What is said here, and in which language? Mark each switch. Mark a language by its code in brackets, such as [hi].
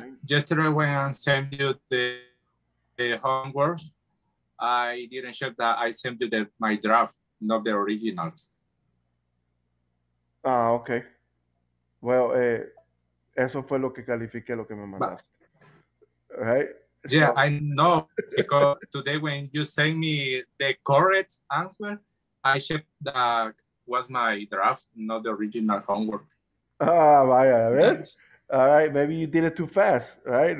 [en] yesterday when I sent you the homework, I didn't check that I sent you my draft, not the original. Ah, okay. Well, [es] eso fue lo que califiqué, lo que me mandaste. [en] Right? Yeah, so. I know, because today when you sent me the correct answer, I checked that was my draft, not the original homework. [es] Ah, vaya, a ver. [en] Yes. All right, maybe you did it too fast, right?